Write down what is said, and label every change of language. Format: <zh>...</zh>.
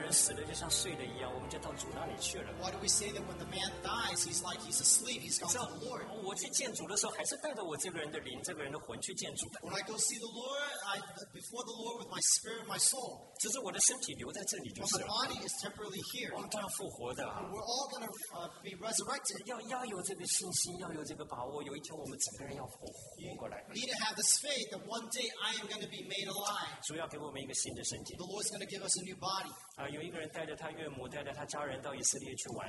<en>Why do we say that when the man dies, he's like he's asleep, he's gone to the Lord?</en> <zh>我去见主的时候，还是带着我这个人的灵，这个人的魂去见主的。</zh> <en>When I go see the Lord, I before the Lord with my spirit, my soul.</en> <zh>只是我的身体留在这里就是了。</zh> <en>My body is temporarily here.</en> <zh>我们都要复活的。</zh> <en>We're all gonna be resurrected.</en> <zh>要有这个信心，要有这个把握，有一天我们整个人要活过来。</zh> <en>Need to have this faith that one day I am gonna be made alive.</en> <zh>主要给我们一个新的身体。The</zh> <en>Lord's gonna give us a new body.</en> <zh>有一个人带着他岳母，带着他家人到以色列去玩。</zh>